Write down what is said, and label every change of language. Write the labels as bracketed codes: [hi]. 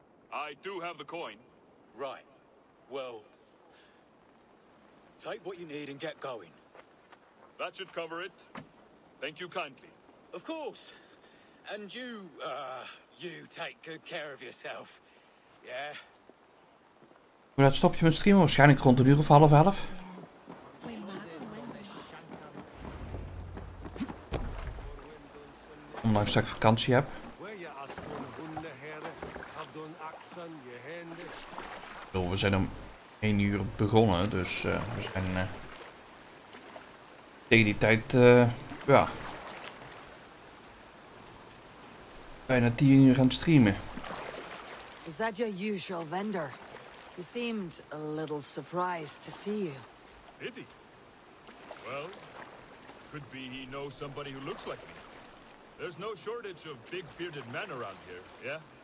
[en] I do have the coin. Right. Well... Take what you need and get going. That should cover it. Thank you kindly. Of course. And you, you take good care of yourself. [nl] Ja. Yeah. Dat stop je met streamen waarschijnlijk rond een uur of 10:30. Ondanks dat ik vakantie heb. We zijn om 1 uur begonnen, dus we zijn tegen die tijd ja. Bijna 10 uur aan het streamen. [en] Is that your usual vendor? He seemed a little surprised to see you. Did he? Well, could be he knows somebody who looks like me. There's no shortage of big bearded men around here, yeah?